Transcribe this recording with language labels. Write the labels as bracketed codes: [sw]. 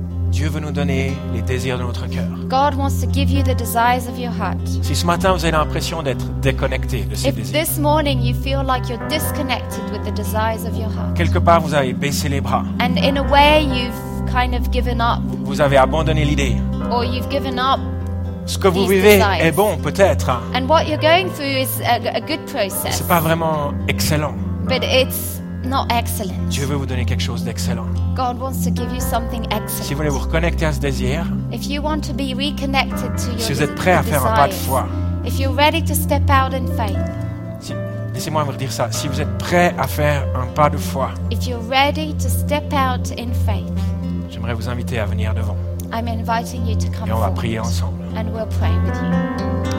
[fr] Dieu veut nous donner les désirs de notre cœur. [en] God wants to give you the desires of your heart. [fr] Si ce matin vous avez l'impression d'être déconnecté de ces [en] if [fr] désirs. [en] This morning you feel like you're disconnected with the desires of your heart. [fr] Quelque part vous avez baissé les bras. [en] And in a way you've kind of given up. [fr] Vous avez abandonné l'idée. [en] Or you've given up. [fr] Ce que vous vivez est bon, peut-être. [en] And what you're going through is a good process. [fr] C'est pas vraiment excellent. [en] But it's not excellent. [fr] Dieu veut vous donner quelque chose d'excellent. [en] God wants to give you something excellent. [fr] Si vous voulez vous reconnecter à ce désir. [en] If you want to be reconnected to your [fr] si vous êtes prêt à faire un pas de foi. [en] If you're ready to step out in faith. [fr] Laissez-moi vous dire ça. Si vous êtes prêt à faire un pas de foi. [en] If you're ready to step out in faith. [fr] J'aimerais vous inviter à venir devant. [en] I'm inviting you to come [fr] et on va prier ensemble. [en] And we'll pray with you.